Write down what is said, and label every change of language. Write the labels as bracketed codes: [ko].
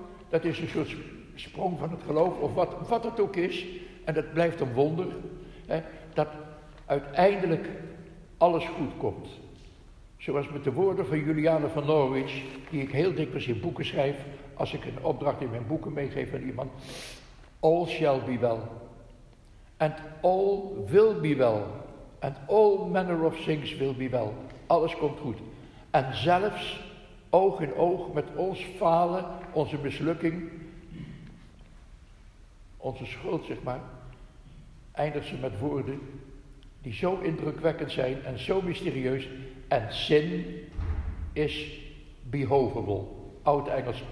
[nl] Dat is een soort sprong van het geloof, of wat het ook is, en dat blijft een wonder, hè, dat uiteindelijk alles goed komt. Zoals met de woorden van Juliane van Norwich, die ik heel dikwijls in boeken schrijf, als ik een opdracht in mijn boeken meegeef aan iemand. [en] All shall be well, and all will be well, and all manner of things will be well. [nl] Alles komt goed. En zelfs oog in oog met ons falen, onze mislukking, onze schuld, zeg maar, eindigt ze met woorden die zo indrukwekkend zijn en zo mysterieus. [en] En sin is behovable, oud-Engels.